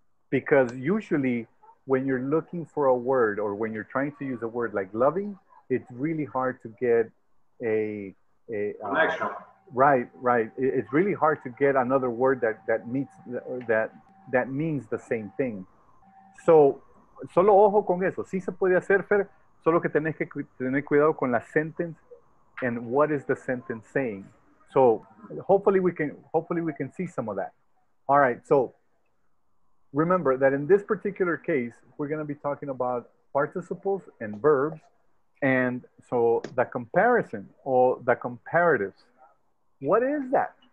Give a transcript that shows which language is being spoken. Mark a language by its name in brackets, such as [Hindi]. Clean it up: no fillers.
[English] Because usually when you're looking for a word, or when you're trying to use a word like loving, it's really hard to get a connection. Right. It's really hard to get another word that means the same thing. [Spanish] So, solo ojo con eso. Sí se puede hacer, Fer, solo que tenés que tener cuidado con la sentence. [English] And what is the sentence saying? So hopefully we can see some of that. All right, so remember that in this particular case, we're gonna be talking about participles and verbs. And so the comparison, or the comparatives, what is that?